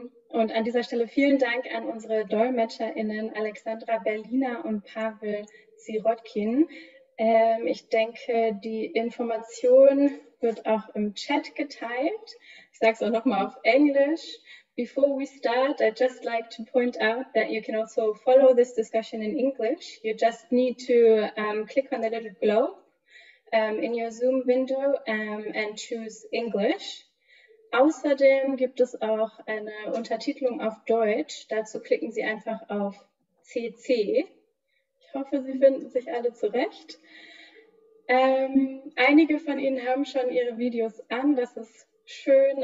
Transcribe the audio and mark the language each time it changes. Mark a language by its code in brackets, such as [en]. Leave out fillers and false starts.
[de] Und an dieser Stelle vielen Dank an unsere DolmetscherInnen Alexandra Berliner und Pavel Sirotkin. Ich denke, die Information wird auch im Chat geteilt. Ich sage es auch nochmal auf Englisch. [en] Before we start, I'd just like to point out that you can also follow this discussion in English. You just need to click on the little globe in your Zoom window and choose English. [de] Außerdem gibt es auch eine Untertitelung auf Deutsch. Dazu klicken Sie einfach auf CC. Ich hoffe, Sie finden sich alle zurecht. Einige von Ihnen haben schon Ihre Videos an. Das ist schön.